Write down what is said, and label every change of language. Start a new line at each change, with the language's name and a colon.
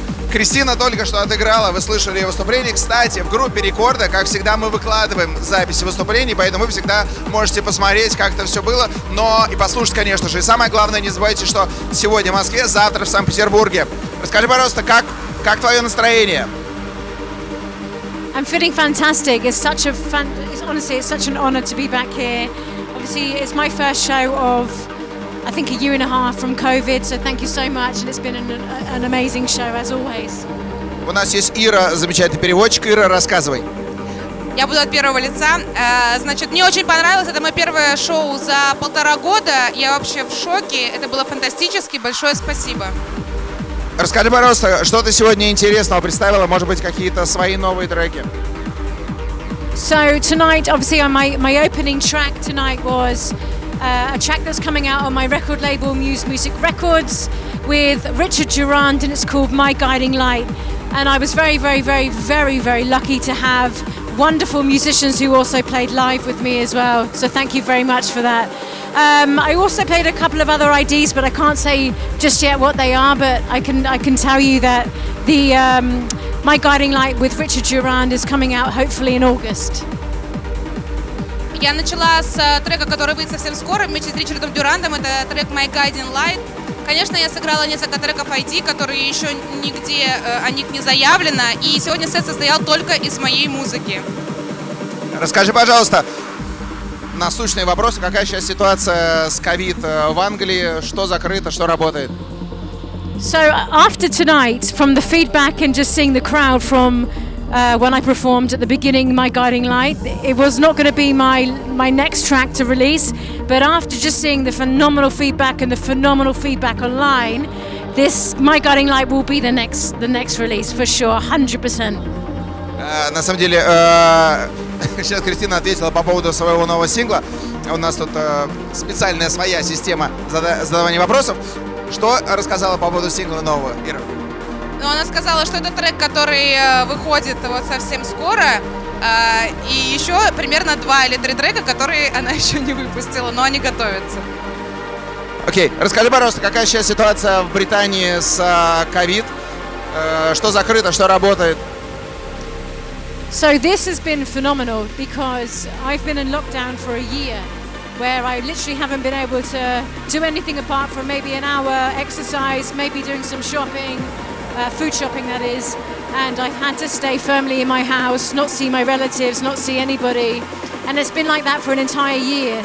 Russian: Кристина только что отыграла, вы слышали ее выступление. Кстати, в группе Рекорда, как всегда, мы выкладываем записи выступлений, поэтому вы всегда можете посмотреть, как это все было, но и послушать, конечно же. И самое главное, не забывайте, что сегодня в Москве, завтра в Санкт-Петербурге. Расскажи, пожалуйста, как твое настроение?
English: I'm feeling fantastic. It's such an honor to be back here. Obviously, it's my first show of... I think a year and a half from COVID, so thank you so much, and it's been an amazing show as always.
Russian: У нас есть Ира, замечательный переводчик. Ира, рассказывай. Я буду от первого лица. Значит, мне очень понравилось, это мое первое шоу за полтора года. Я вообще в шоке. Это было фантастически. Большое спасибо. Расскажи, пожалуйста, что ты сегодня интересного представила? Может быть, какие-то свои новые треки?
English: So tonight, obviously, my opening track tonight was. A track that's coming out on my record label, Muse Music Records, with Richard Durand, and it's called My Guiding Light. And I was very, very, very, very, very lucky to have wonderful musicians who also played live with me as well. So thank you very much for that. I also played a couple of other IDs, but I can't say just yet what they are, but I can tell you that My Guiding Light with Richard Durand is coming out hopefully in August.
Russian: Я начала с трека, который выйдет совсем скоро, вместе с Ричардом Дюрандом, это трек My Guiding Light. Конечно, я сыграла несколько треков ID, которые еще нигде о них не заявлено, и сегодня сет состоял только из моей музыки. Расскажи, пожалуйста, насущные вопросы, какая сейчас ситуация с COVID в Англии, что закрыто, что работает?
English: So, after tonight, from the feedback and just seeing the crowd from... when I performed at the beginning, My Guiding Light, it was not going to be my next track to release, but after just seeing the phenomenal feedback and the phenomenal feedback online, this My Guiding Light will be the next release for sure, 100%.
Russian: На самом деле, сейчас Кристина ответила по поводу своего нового сингла. У нас тут специальная своя система задавания вопросов. Что рассказала по поводу сингла нового, Ира? Но она сказала, что это трек, который выходит вот совсем скоро, и еще примерно 2 или 3 трека, которые она еще не выпустила, но они готовятся. Окей, расскажи, пожалуйста, какая сейчас ситуация в Британии с COVID? Что закрыто, что работает?
English: So this has been phenomenal, because I've been in lockdown for a year, where I literally haven't been able to do anything apart from maybe an hour exercise, maybe doing some shopping. Food shopping, that is, and I've had to stay firmly in my house, not see my relatives, not see anybody, and it's been like that for an entire year.